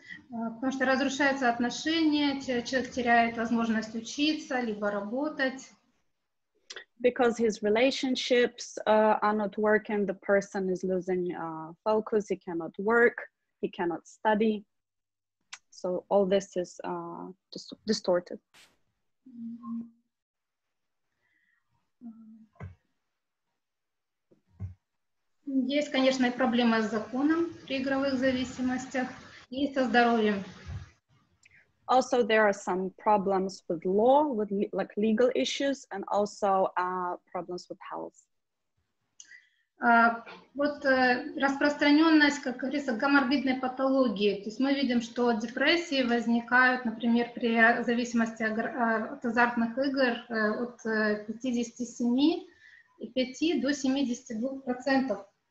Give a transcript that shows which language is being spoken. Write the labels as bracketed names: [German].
[Russian] Потому что разрушаются отношения, человек теряет возможность учиться, либо работать. [English] Because his relationships are not working, the person is losing focus, he cannot work, he cannot study. So all this is distorted. [Russian] Есть, конечно, и проблемы с законом при игровых зависимостях. И со здоровьем. [English] Also, there are some problems with law, with like legal issues, and also problems with health. [Russian] Вот распространенность, как говорится, коморбидной патологии. То есть мы видим, что депрессии возникают, например, при зависимости от азартных игр от 57,5 до 72%.